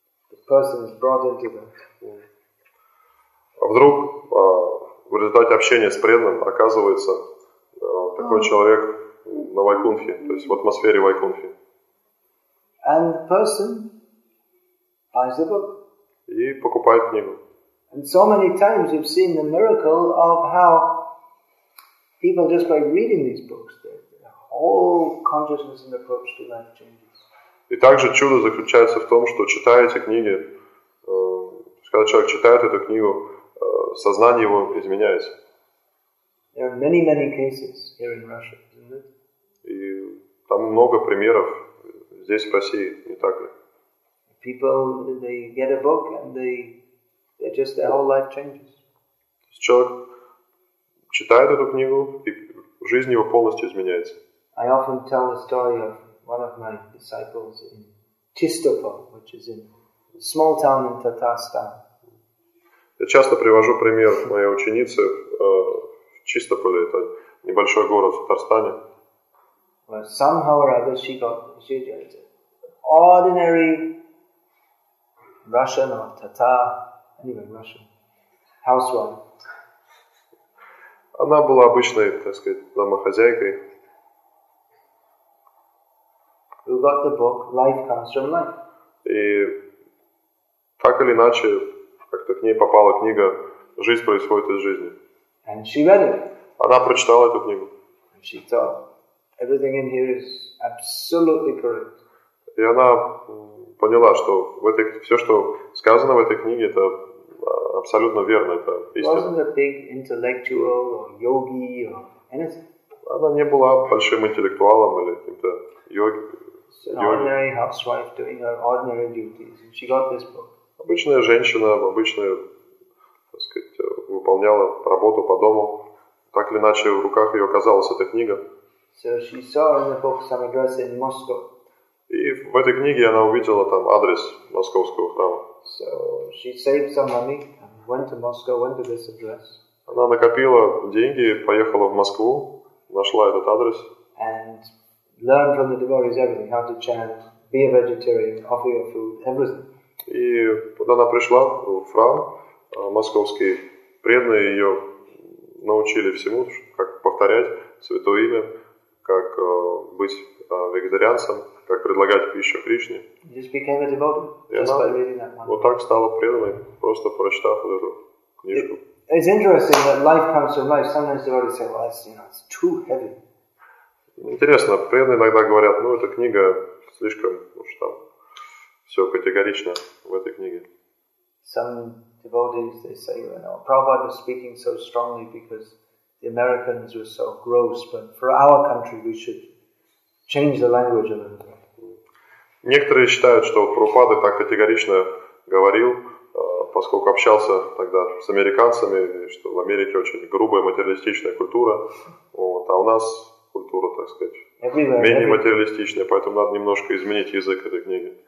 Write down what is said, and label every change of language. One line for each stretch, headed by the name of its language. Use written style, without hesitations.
English: The person is brought into that.
Russian: Вдруг в результате общения с преданным оказывается такой человек на Вайкунхе, то есть в атмосфере Вайкунхи.
English: And the person buys the book.
Russian: И покупает книгу.
English: And so many times you've seen the miracle of how people just by reading these books, their whole consciousness and approach to life changes.
Russian: И также чудо заключается в том, что читая эти книги, когда человек читает эту книгу, сознание его изменяется.
English: There are many, many cases here in Russia, isn't it?
Russian: И там много примеров здесь, в России, не так ли?
English: People, they get a book and they just their whole life changes.
Russian: Человек читает эту книгу, и жизнь его полностью изменяется.
English: I often tell the story of one of my disciples in Chistopol, which is in a small town in Tatarstan.
Russian: Я часто привожу пример моей ученицы в Чистополе, это небольшой город в Татарстане.
English: Well, somehow or other she got an ordinary Russian or Tatar, anyway, Russian housewife.
Russian: Она была обычной, так сказать, домохозяйкой.
English: Who got the book Life Comes from Life.
Russian: И так или иначе, как-то к ней попала книга «Жизнь происходит из жизни».
English: And she read it.
Russian: Она прочитала эту книгу.
English: And she thought, everything in here is absolutely correct.
Russian: И она поняла, что все, что сказано в этой книге, это абсолютно верно, это истина.
English: Wasn't a big intellectual or yogi or anything.
Russian: Она не была большим интеллектуалом или каким-то йоги.
English: Ordinary housewife doing her ordinary duties, and she got this book.
Russian: Обычная женщина, обычная, так сказать, выполняла работу по дому. Так или иначе, в руках ее оказалась эта книга.
English: So she saw in the book some address in Moscow.
Russian: И в этой книге она увидела там адрес московского храма.
English: So she saved some money and went to Moscow, went to this address.
Russian: Она накопила деньги, поехала в Москву, нашла этот адрес.
English: And learned from the devotees everything: how to chant, be a vegetarian, offer your food, everything.
Russian: И когда она пришла в храм, московские преданные ее научили всему, как повторять святое имя, как быть вегетарианцем, как предлагать пищу Кришне.
English: Just became a devotee, just by reading that one.
Russian: Вот так стала преданной, просто прочитав вот эту книжку.
English: It's interesting that life comes from life. Sometimes devotees say, well, that's, you know, it's too heavy.
Russian: Интересно, преданные иногда говорят, ну, эта книга слишком уж там все категорично в этой книге.
English: Some devotees, they say, you know, Prabhupada was speaking so strongly because the Americans were so gross, but for our country we should change the language a little bit.
Russian: Некоторые считают, что Прабхупада так категорично говорил, поскольку общался тогда с американцами, что в Америке очень грубая материалистичная культура, вот, а у нас культура, так сказать, менее материалистичная, поэтому надо немножко изменить язык этой книги.